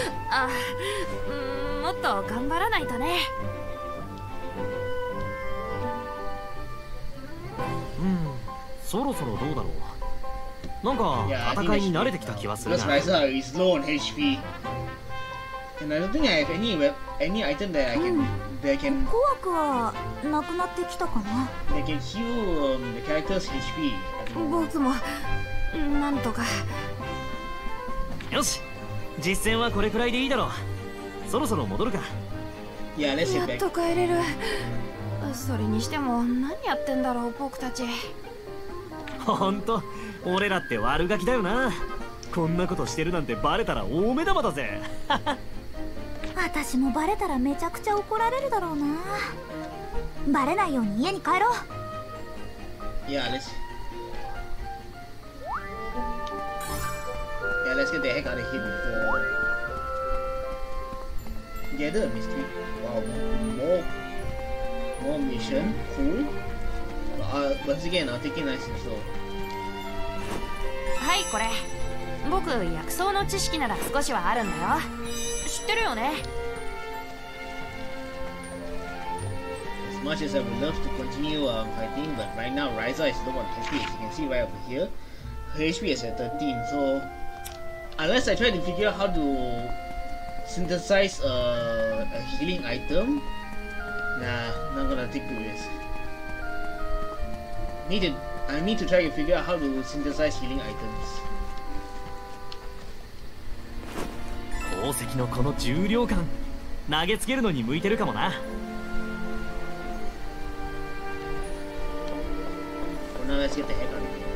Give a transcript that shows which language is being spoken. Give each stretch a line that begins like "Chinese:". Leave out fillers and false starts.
Japanese: あ、もっと頑張らないとね。うん、そろそろどうだろう。なんか戦いに慣れてきた気はするな。
English: Yeah, that's nice. Low on HP. And I don't think I have any item that I can.
Japanese: 怖くはなくなってきたかな。
English: They can heal the character's HP.
Japanese: 僕もなんとか。よし、実戦はこれくらいでいいだろう。そろそろ戻るか。やっと帰れる。それにしても何やってんだろう僕たち。本当、俺らって悪ガキだよな。こんなことしてるなんてバレたら大目玉だぜ。私もバレたらめちゃくちゃ怒られるだろうな。バレないように家に帰ろう。いやレシ。
English: Yeah, let's get the heck out of here before. Gather a mystery. Wow, more mission. Cool. But once again, I'll take it nice and slow.
Japanese: はい、これ。僕、薬草の知識なら少しはあるんだよ。知ってるよね。
English: As much as I would love to continue fighting, but right now Ryza is low on HP, as you can see right over here. Her HP is at 13, so. Unless I try to figure out how to synthesize a healing item, nah, not gonna take the risk. I need to try to figure out how to synthesize healing items.
Japanese: 宝石のこの重量感、投げつけるのに向いてるかもな。
English: Now let's get the heck out of here.